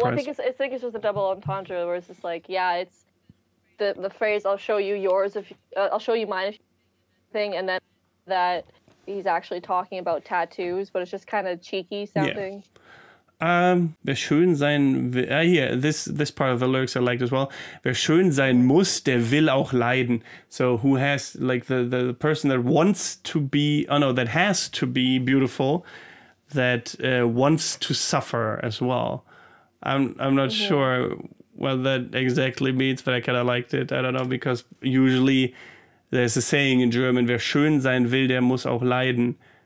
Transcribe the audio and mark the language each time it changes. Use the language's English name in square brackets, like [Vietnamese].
[English] Yeah, well, I think it's just a double entendre, where it's just like, yeah, it's the phrase "I'll show you yours if I'll show you mine" thing, and then that he's actually talking about tattoos, but it's just kind of cheeky sounding. Yeah. [German] Wer schön sein will, [English] here, this part of the lyrics I liked as well. [German] Wer schön sein muss, der will auch leiden. [English] So who has, like, the person that wants to be, oh no, that has to be beautiful, that wants to suffer as well. I'm not sure what that exactly means, but I kind of liked it. I don't know, because usually there's a saying in German, [German] wer schön sein will, der muss auch leiden.